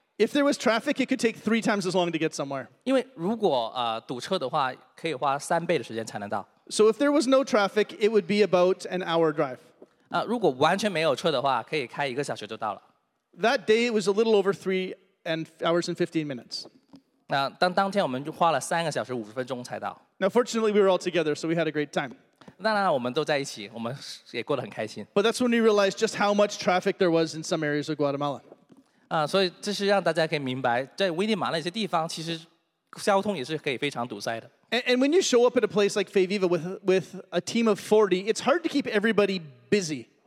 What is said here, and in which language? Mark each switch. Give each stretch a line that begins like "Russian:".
English: If there was traffic, it could take 3 times as long to get somewhere.
Chinese: 因为如果堵车的话，可以花三倍的时间才能到。
English: So if there was no traffic, it would be about an hour drive.
Chinese: 如果完全没有车的话，可以开一个小时就到了。
English: That day it was a little over 3 hours and 15 minutes.
Chinese: 当天我们就花了3个小时50分钟才到。
English: Now fortunately we were all together, so we had a great time.
Chinese: 当然我们都在一起，我们也过得很开心。
English: But that's when we realized just how much traffic there was in some areas of Guatemala.
Chinese: 所以这是让大家可以明白，在危地马拉那些地方，其实交通也是可以非常堵塞的。
English: And when you show up at a place like Fayviva with a team of 40, it's hard to keep everybody busy.